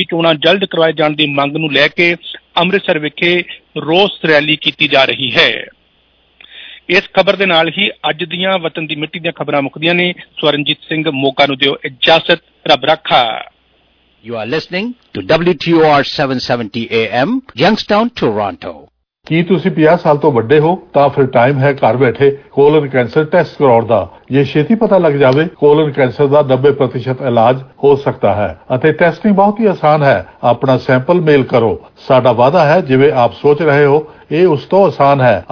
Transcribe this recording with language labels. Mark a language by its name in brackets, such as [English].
[Punjabi] ਕਿ ਚੋਣਾਂ ਜਲਦ ਕਰਵਾਏ ਜਾਣ ਦੀ ਮੰਗ ਨੂੰ ਲੈ ਕੇ ਅੰਮ੍ਰਿਤਸਰ ਵਿਖੇ ਰੋਸ ਰੈਲੀ ਕੀਤੀ ਜਾ ਰਹੀ ਹੈ। ਇਸ ਖਬਰ ਦੇ ਨਾਲ ਹੀ ਅੱਜ ਦੀਆਂ ਵਤਨ ਦੀ ਮਿੱਟੀ ਦੀਆਂ ਖਬਰਾਂ ਮੁੱਕਦੀਆਂ ਨੇ। ਸਵਰਨਜੀਤ ਸਿੰਘ ਮੋਗਾ ਨੂੰ ਦਿਓ ਇਜਾਜ਼ਤ, ਰੱਬ ਰਾਖਾ। [English] You are listening to WTOR 770 AM, Youngstown, Toronto. [Punjabi] ਕੀ ਤੁਸੀਂ 50 ਸਾਲ ਤੋਂ ਵੱਡੇ ਹੋ ਤਾਂ ਫਿਰ ਟਾਈਮ ਹੈ ਘਰ ਬੈਠੇ ਕੋਲਨ ਕੈਂਸਰ ਟੈਸਟ ਕਰਾਉਣ ਦਾ। ਜੇ ਛੇਤੀ ਪਤਾ ਲੱਗ ਜਾਵੇ ਕੋਲਨ ਕੈਂਸਰ ਦਾ 90% ਇਲਾਜ ਹੋ ਸਕਦਾ ਹੈ ਅਤੇ ਟੈਸਟਿੰਗ ਬਹੁਤ ਹੀ ਆਸਾਨ ਹੈ। ਆਪਣਾ ਸੈਂਪਲ ਮੇਲ ਕਰੋ, ਸਾਡਾ ਵਾਅਦਾ ਹੈ ਜਿਵੇਂ ਆਪ ਸੋਚ ਰਹੇ ਹੋ ਇਹ ਉਸ ਤੋਂ ਆਸਾਨ ਹੈ।